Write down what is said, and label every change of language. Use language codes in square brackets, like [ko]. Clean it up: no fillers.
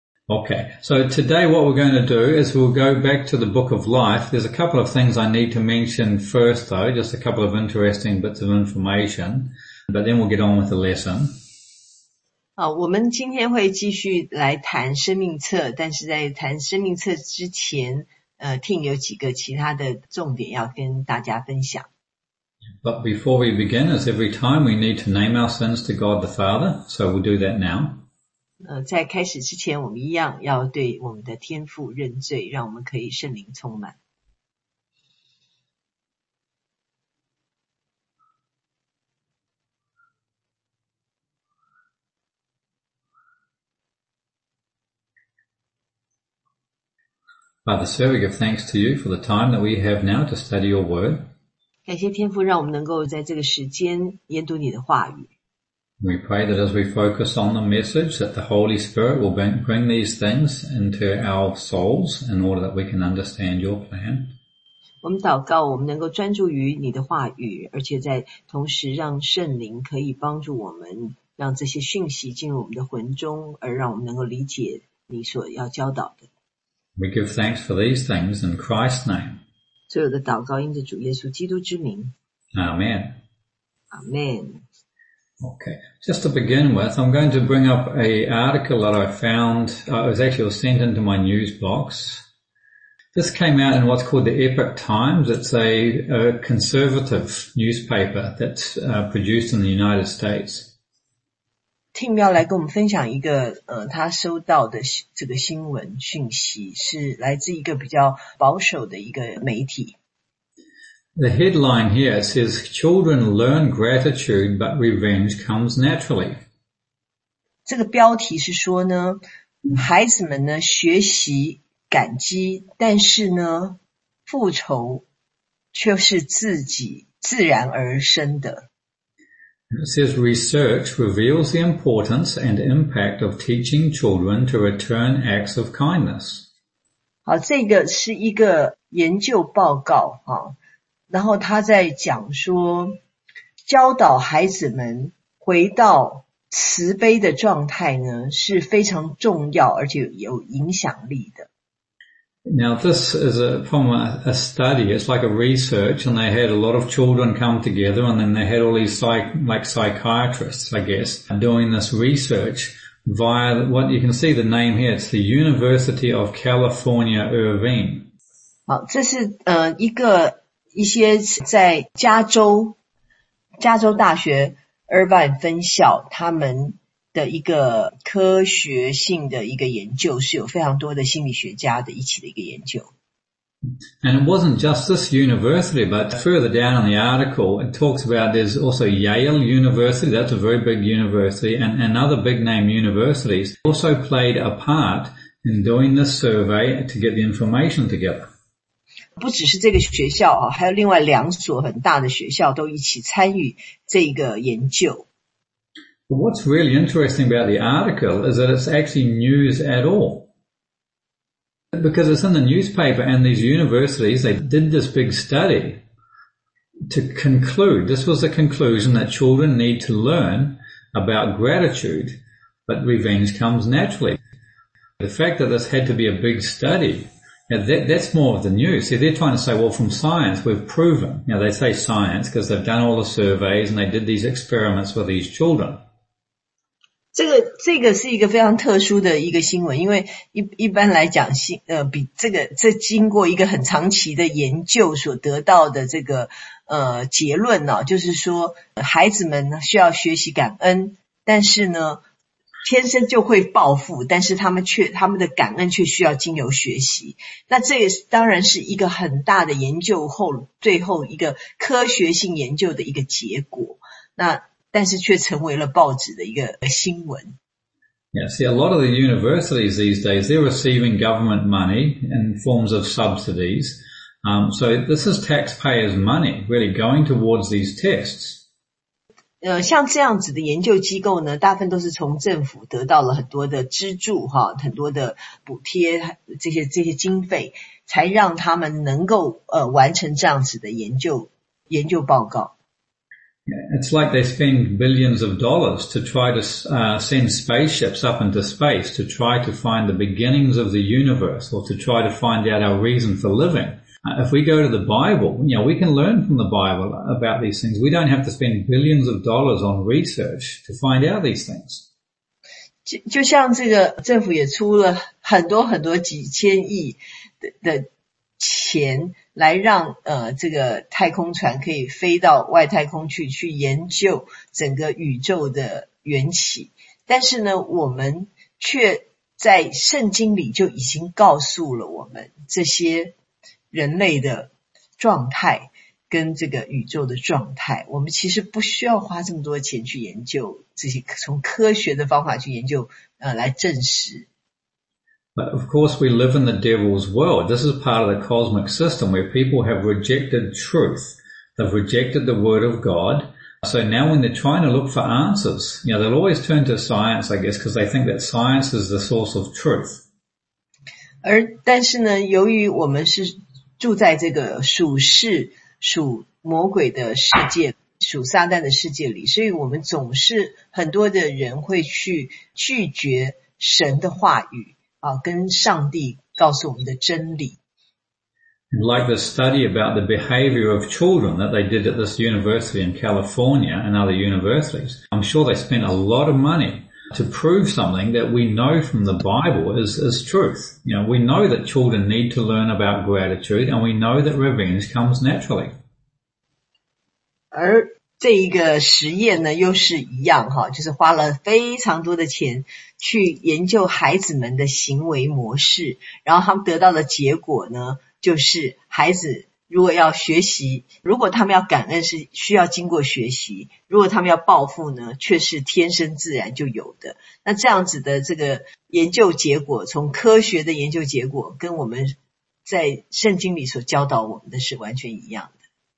[en] Okay, so today what we're going to do is we'll go back to the Book of Life. There's a couple of things I need to mention first, though, just a couple of interesting bits of information, but then we'll get on with the lesson. [zh] 好，我们今天会继续来谈生命册，但是在谈生命册之前，Tim 有几个其他的重点要跟大家分享。 [en] But before we begin, as every time, we need to name our sins to God the Father, so we'll do that now. [zh] 在开始之前，我们一样要对我们的天父认罪，让我们可以圣灵充满。 [en] Father, so we give thanks to you for the time that we have now to study your word. [zh] 感谢天父，让我们能够在这个时间研读你的话语。 [en] We pray that as we focus on the message, that the Holy Spirit will bring these things into our souls in order that we can understand your plan. [zh] 我们祷告，我们能够专注于你的话语，而且在同时让圣灵可以帮助我们，让这些讯息进入我们的魂中，而让我们能够理解你所要教导的。 [en] We give thanks for these things in Christ's name. [zh] 所有的祷告因着主耶稣基督之名。 [en] Amen. Amen. Okay, just to begin with, I'm going to bring up an article that I found. It was sent into my news box. This came out in what's called the Epoch Times. It's a conservative newspaper that's produced in the United States. [zh] Tim 要来跟我们分享一个他收到的这个新闻讯息，是来自一个比较保守的一个媒体。 [en] The headline here says, Children learn gratitude, but revenge comes naturally. [zh] 这个标题是说呢，孩子们呢学习感激，但是呢复仇却是自己自然而生的。 [en] It says, Research reveals the importance and impact of teaching children to return acts of kindness. [zh] 好，这个是一个研究报告啊。然后他在讲说，教导孩子们回到慈悲的状态呢，是非常重要而且有影响力的。 [en] Now this is from a study. It's like a research, and they had a lot of children come together, and then they had all these psychiatrists, I guess, doing this research via what you can see the name here. It's the University of California, Irvine. [zh] 好，这是一个。一些在加州大学 Irvine 分校他们的一个科学性的一个研究，是有非常多的心理学家的一起的一个研究。 [en] And it wasn't just this university, but further down in the article, it talks about there's also Yale University, that's a very big university, and other big name universities also played a part in doing this survey to get the information together. [zh] 不只是这个学校啊，还有另外两所很大的学校都一起参与这个研究。 [en] What's really interesting about the article is that it's actually news at all. Because it's in the newspaper and these universities, they did this big study to conclude, this was the conclusion that children need to learn about gratitude, but revenge comes naturally. The fact that this had to be a big study,Now, that's more of the news. See, they're trying to say, well, from science, we've proven. Now, they say science because they've done all the surveys and they did these experiments with these children. [zh] 这个是一个非常特殊的一个新闻，因为一般来讲，这经过一个很长期的研究所得到的这个结论呢，就是说孩子们需要学习感恩，但是呢，天生就会报复，但是他们的感恩却需要经由学习。那这也当然是一个很大的研究后，最后一个科学性研究的一个结果。那但是却成为了报纸的一个新闻。 [en] Yeah, see, a lot of the universities these days, they're receiving government money in forms of subsidies. So this is taxpayers' money really going towards these tests. [zh] 像这样子的研究机构呢，大部分都是从政府得到了很多的资助，很多的补贴，这些经费，才让他们能够完成这样子的研究报告。 [en] It's like they spend billions of dollars to try to send spaceships up into space to try to find the beginnings of the universe or to try to find out our reason for living. If we go to the Bible, you know, we can learn from the Bible about these things. We don't have to spend billions of dollars on research to find out these things. [zh] 就像这个政府也出了很多很多几千亿的钱。来让这个太空船可以飞到外太空去，去研究整个宇宙的缘起。但是呢，我们却在圣经里就已经告诉了我们这些人类的状态跟这个宇宙的状态。我们其实不需要花这么多钱去研究这些，从科学的方法去研究来证实。 [en] But of course we live in the devil's world. This is part of the cosmic system where people have rejected truth. They've rejected the word of God. So now when they're trying to look for answers, you know, they'll always turn to science, I guess, because they think that science is the source of truth. [zh] 但是呢，由于我们是住在这个属世、属魔鬼的世界、属撒旦的世界里，所以我们总是很多的人会去拒绝神的话语。跟上帝告诉我们的真理。 [en] And like the study about the behavior of children that they did at this university in California and other universities, I'm sure they spent a lot of money to prove something that we know from the Bible is truth. You know, we know that children need to learn about gratitude and we know that revenge comes naturally. [zh] 而这一个实验呢又是一样就是花了非常多的钱去研究孩子们的行为模式然后他们得到的结果呢就是孩子如果要学习如果他们要感恩是需要经过学习如果他们要报复呢却是天生自然就有的那这样子的这个研究结果从科学的研究结果跟我们在圣经里所教导我们的是完全一样的